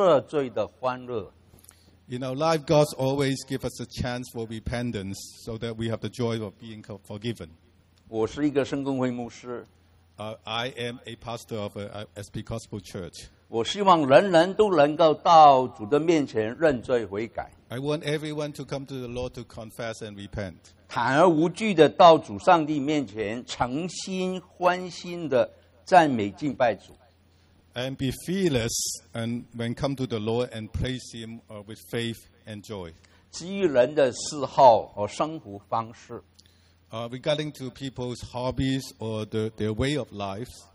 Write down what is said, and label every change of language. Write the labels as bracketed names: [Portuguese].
[Chinese] 在生命中，上帝永远都给我们有悔改的智慧，得到赦罪的欢乐。 [English] In our life, God always gives us a chance for repentance, so that we have the joy of being forgiven. [Chinese] 我是一个圣公会牧师。 [English] I am a pastor of a Episcopal Church. [Chinese] 我希望人人都能够到主的面前认罪悔改。 [English] I want everyone to come to the Lord to confess and repent. [Chinese] 坦而无惧地到主上帝面前，诚心欢欣地赞美敬拜主。 [English] And be fearless and when come to the Lord and praise Him with faith and joy. [Chinese] 基于人的嗜好和生活方式。 [English] Regarding to people's hobbies or their way of life,